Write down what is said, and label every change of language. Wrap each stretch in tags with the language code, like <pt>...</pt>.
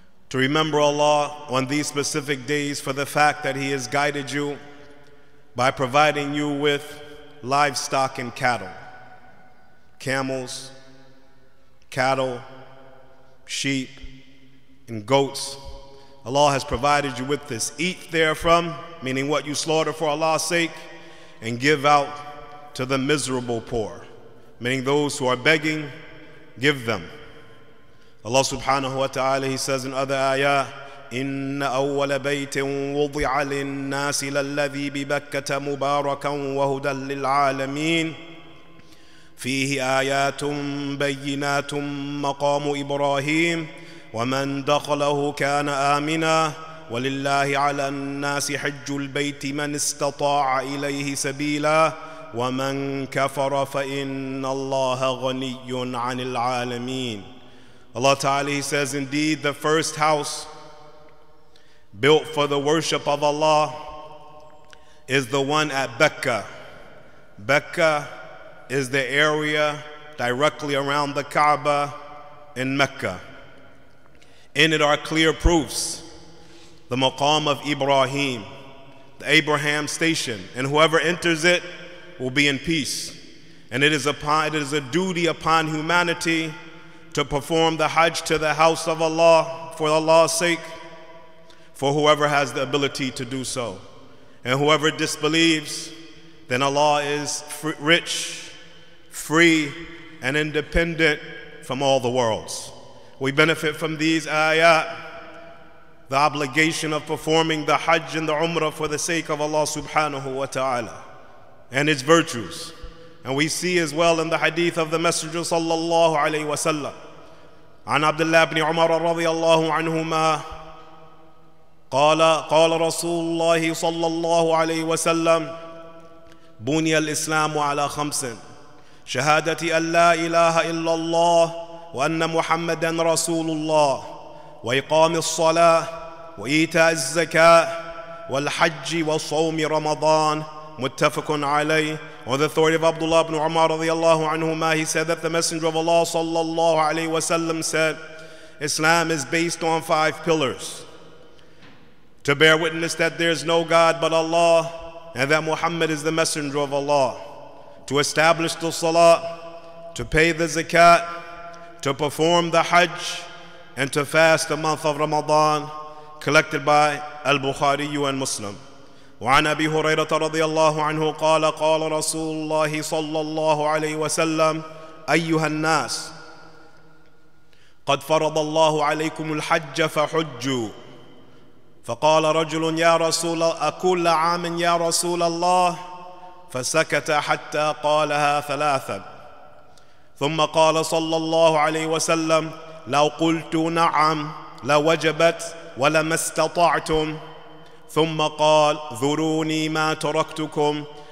<en>To remember Allah on these specific days for the fact that He has guided you by providing you with livestock and cattle, camels, cattle, sheep, and goats. Allah has provided you with this. Eat therefrom, meaning what you slaughter for Allah's sake, and give out to the miserable poor, meaning those who are begging, give them.</en> <ar>Allah subhanahu wa ta'ala,</ar> <en>He says in other ayah,</en> <ar>إِنَّ أَوَّلَ بَيْتٍ وُضِعَ لِلنَّاسِ لَلَّذِي بِبَكَّةَ مُبَارَكًا وَهُدًى لِلْعَالَمِينَ فِيهِ آيَاتٌ بَيِّنَاتٌ مَقَامُ إِبْرَاهِيمَ وَمَنْ دَخَلَهُ كَانَ آمِنًا وَلِلَّهِ عَلَى النَّاسِ حِجُّ الْبَيْتِ مَنْ اسْتَطَاعَ إِلَيْهِ سَبِيلًا وَمَنْ كَفَرَ فَإِنَّ اللَّهَ غَنِيٌّ عَنِ الْعَالَمِينَ.</ar> <en>Allah Ta'ala, He says, indeed the first house built for the worship of Allah is the one at Becca. Becca is the area directly around the Kaaba in Mecca. In it are clear proofs, the maqam of Ibrahim, the Abraham station, and whoever enters it will be in peace. And it is a duty upon humanity to perform the Hajj to the house of Allah for Allah's sake, for whoever has the ability to do so. And whoever disbelieves, then Allah is rich, free, and independent from all the worlds. We benefit from these ayat, the obligation of performing the Hajj and the Umrah for the sake of Allah subhanahu wa ta'ala and its virtues. And we see as well in the hadith of the Messenger sallallahu alayhi wa sallam, an Abdullah ibn Umar radiallahu anhuma,</en> <ar>قال رسول الله صلى الله عليه وسلم بني الإسلام على خمس شهادة أن لا إله إلا الله وأن محمدا رسول الله وإقام الصلاة وإيتاء الزكاة والحج وصوم رمضان متفق عليه.</ar> <en>On the authority of Abdullah ibn Umar</en> <ar>رضي الله عنهما,</ar> <en>he said that the Messenger of Allah</en> <ar>صلى الله عليه وسلم</ar> <en>said, Islam is based on five pillars: to bear witness that there is no God but Allah and that Muhammad is the Messenger of Allah, to establish the Salah, to pay the Zakat, to perform the Hajj, and to fast the month of Ramadan, collected by Al-Bukhari and Muslim.</en> <ar>وعن أبي هريرة رضي الله عنه قال قال رسول الله صلى الله عليه وسلم أيها الناس قد فرض الله عليكم الحج فحجوا. فقال رجل يا رسول أكل عام يا رسول الله فسكت حتى قالها ثلاثا ثم قال صلى الله عليه وسلم لو قلت نعم لوجبت ولما استطعتم ثم قال ذروني ما تركتكم</ar>